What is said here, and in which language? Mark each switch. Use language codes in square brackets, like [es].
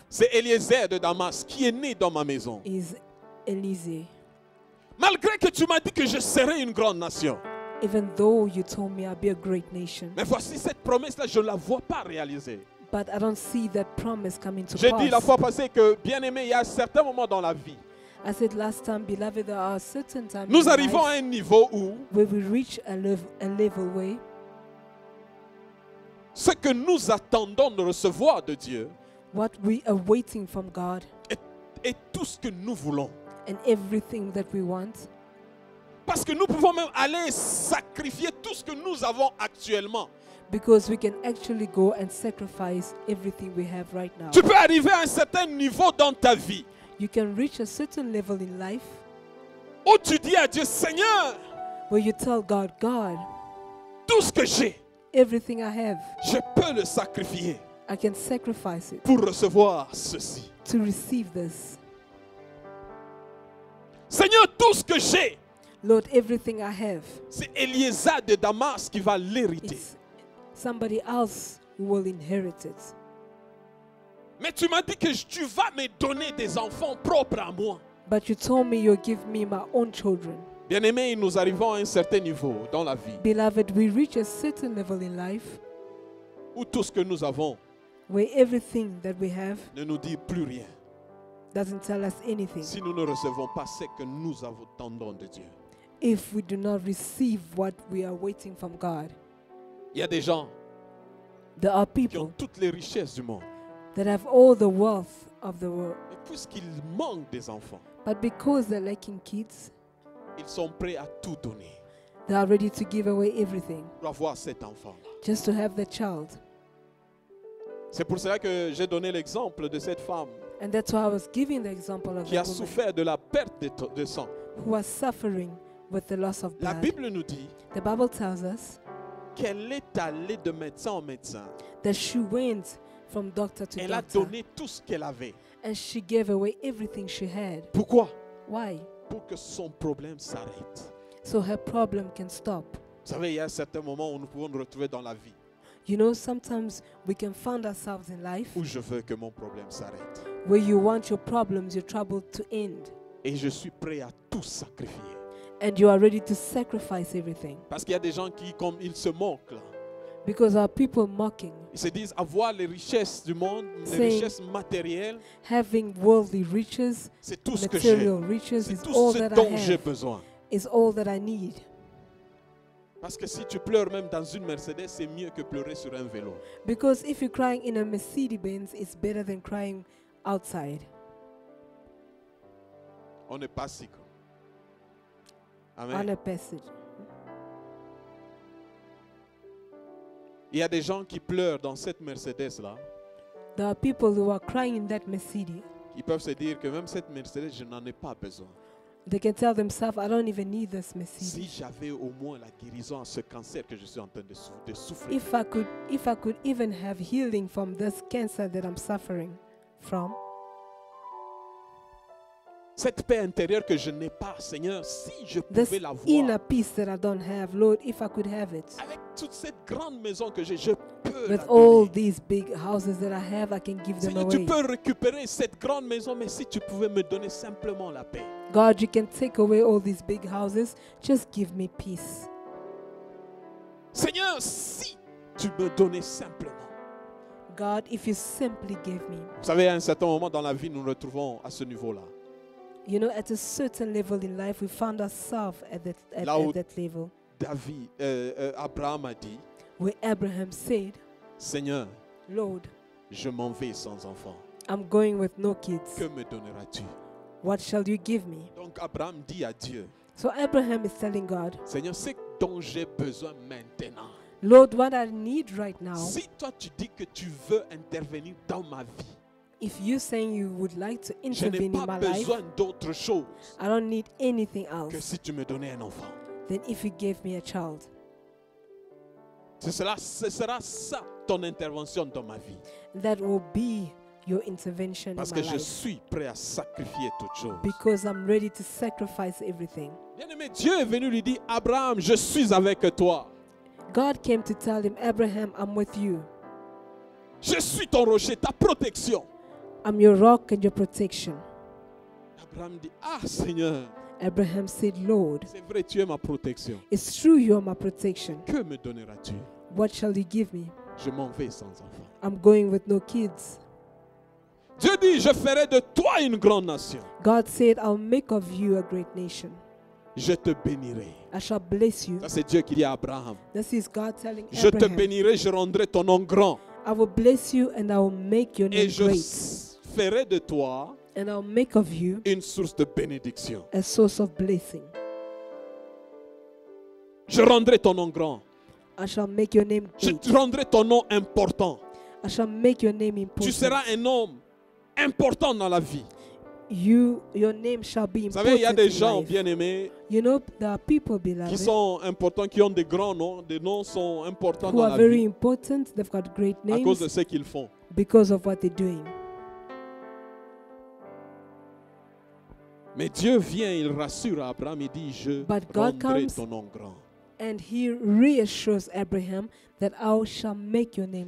[fr] C'est Eliezer de Damas qui est né dans ma maison. [en] Is Élisée. [fr] Malgré que tu m'as dit que je serai une grande nation. [en] Even though you told me I'd be a great nation. [fr] Mais voici cette promesse-là, je ne la vois pas réalisée. [en] But I don't see that promise coming to [fr] j'ai [en] pass. [fr] J'ai dit la fois passée que, bien-aimé, il y a certains moments dans la vie. [en] I said last time, beloved, there are certain times. [fr] Nous arrivons à un niveau où [en] where we reach a level where [fr] Ce que nous attendons de recevoir de Dieu. [en] What we are waiting from God. [fr] Et tout ce que nous voulons. [en] And everything that we want. [fr] Parce que nous pouvons même aller sacrifier tout ce que nous avons actuellement. [en] Because we can actually go and sacrifice everything we have right now. [fr] Tu peux arriver à un certain niveau dans ta vie. [en] You can reach a certain level in life. [fr] Où tu dis à Dieu, Seigneur. [en] Where you tell God, God. [fr] Tout ce que j'ai. [en] Everything I have. [fr] Je peux le sacrifier. [en] I can sacrifice it. [fr] Pour recevoir ceci. [en] To receive this. [fr] Seigneur, tout ce que j'ai. [en] Lord, everything I have. [fr] C'est Eliezer de Damas qui va l'hériter. [en] It's somebody else who will inherit it. [fr] Mais tu m'as dit que tu vas me donner des enfants propres à moi. [en] But you told me you'll give me my own children. [fr] Bien-aimés, nous arrivons à un certain niveau dans la vie. [en] Beloved, we reach a certain level in life. [fr] Où tout ce que nous avons. [en] Where everything that we have. [fr] Ne nous dit plus rien. [en] Doesn't tell us anything. [fr] Si nous ne recevons pas ce que nous attendons de Dieu. [en] If we do not receive what we are waiting from God. [fr] Il y a des gens. [en] There are people. [fr] Qui ont toutes les richesses du monde. [en] That have all the wealth of the world. [fr] Et puisqu'ils manquent des enfants. [en] But because they're lacking kids. [fr] Ils sont prêts à tout donner. [en] They are ready to give away everything. [fr] Pour avoir cet enfant. [en] Just to have the child. [fr] C'est pour cela que j'ai donné l'exemple de cette femme. [en] And that's why I was giving the example of [fr] qui a souffert de la perte de sang. [en] Who was suffering with the loss of blood. [fr] La Bible nous dit. [en] The Bible tells us. [fr] Qu'elle est allée de médecin en médecin. [en] That she went from doctor to [fr] elle A donné tout ce qu'elle avait. [en] And she gave away everything she had. [fr] Pourquoi? [en] Why? [fr] Pour que son problème s'arrête. [en] So her problem can stop. [fr] Vous savez, il y a un certain moment où nous pouvons nous retrouver dans la vie. [en] You know, sometimes we can find ourselves in life. [fr] Où je veux que mon problème s'arrête. [en] Where you want your problems, your trouble to end. [fr] Et je suis prêt à tout sacrifier. [en] And you are ready to sacrifice everything. [fr] Parce qu'il y a des gens qui, comme ils se moquent. [en] Because our people mocking. [fr] Ils se disent avoir les richesses du monde, [en] saying, [fr] les richesses matérielles. [en] Having worldly riches, [fr] c'est tout ce [en] material [fr] que j'ai. [en] Riches [fr] c'est [en] is [fr] tout [en] all [fr] ce [en] that [fr] dont [en] I have, [fr] j'ai besoin. [en] Is all that I need. [fr] Parce que si tu pleures même dans une Mercedes, c'est mieux que pleurer sur un vélo. [en] Because if you're crying in a Mercedes-Benz, it's better than crying outside. [fr] On est pas sick. Amen. On a passage. Il y a des gens qui pleurent dans cette Mercedes là. [en] There are people who are crying in that Mercedes. [fr] Ils peuvent se dire que même cette Mercedes, je n'en ai pas besoin. [en] They can tell themselves, I don't even need this Mercedes. [fr] Si j'avais au moins la guérison à ce cancer que je suis en train de souffrir. [en] If I could even have healing from this cancer that I'm suffering from. [fr] Cette paix intérieure que je n'ai pas, Seigneur, si je pouvais [en] this [fr] l'avoir. [en] This inner peace that I don't have, Lord, if I could have it. [fr] Avec toute cette grande maison que j'ai, je peux. [en] With [fr] la [en] all [fr] donner. [en] These big houses that I have, I can give [fr] Seigneur, [en] them away. [fr] Si tu peux récupérer cette grande maison, mais si tu pouvais me donner simplement la paix. [en] God, you can take away all these big houses. Just give me peace. [fr] Seigneur, si tu me donnais simplement. [en] God, if you simply gave me. [fr] Vous savez, à un certain moment dans la vie, nous nous retrouvons à ce niveau-là. [en] You know, at a certain level in life, we found ourselves at that level. [fr] David, Abraham a dit. [en] Where Abraham said. [fr] Seigneur. [en] Lord. [fr] Je m'en vais sans enfant. [en] I'm going with no kids. [fr] Que me donneras-tu? [en] What shall you give me? [fr] Donc Abraham dit à Dieu. [en] So Abraham is telling God. [fr] Seigneur, ce dont j'ai besoin maintenant. [en] Lord, what I need right now. [fr] Si toi tu dis que tu veux intervenir dans ma vie. [en] If you're saying you would like to intervene [fr] je n'ai pas [en] in my [fr] besoin [en] life, [fr] d'autre chose. [en] I don't need anything else. [fr] Que si tu me donnais un enfant. [en] Then if you gave me a child. [fr] Ce sera ça ton intervention dans ma vie. [en] That will be your intervention [fr] parce [en] in my [fr] que [en] life. [fr] Je suis prêt à sacrifier toute chose. [en] Because I'm ready to sacrifice everything. [fr] Bien-aimé, Dieu est venu lui dire, Abraham, je suis avec toi. [en] God came to tell him, Abraham, I'm with you. [fr] Je suis ton rocher, ta protection. [en] I'm your rock and your protection. [fr] Abraham dit, ah, Seigneur. [en] Abraham said, Lord. [fr] C'est vrai, tu es ma protection. [en] It's true, you are my protection. [fr] Que me donneras-tu? [en] What shall you give me? [fr] Je m'en vais sans enfant. [en] I'm going with no kids. [fr] Dieu dit, je ferai de toi une grande nation. [en] God said, I'll make of you a great nation. [fr] je te bénirai. [en] I shall bless you. [fr] Ça, c'est Dieu qui dit à Abraham. [en] This is God telling [fr] je [en] Abraham. [fr] Te bénirai, je rendrai ton nom grand. [en] I will bless you and I will make your name [fr] et je [en] great. [fr] Ferai de toi [en] and I will make of you [fr] une source de bénédiction. [en] A source of blessing. [fr] Je rendrai ton nom grand. [en] I shall make your name great. [fr] Je rendrai ton nom important. [en] I shall make your name important. [fr] Tu seras un homme important dans la vie. [en] Your name shall be important. [fr] Vous savez, il y a des gens bien-aimés, [en] you know, there are people, beloved, [fr] qui sont importants, qui ont des grands noms, des noms sont importants dans la vie. [en] Who are very important, they've got great names. [fr] À cause de ce qu'ils font. [en] Because of what they're doing. [fr] Mais Dieu vient, il rassure Abraham, il dit, je rendrai ton nom grand. [en] And he reassures Abraham that I shall make your name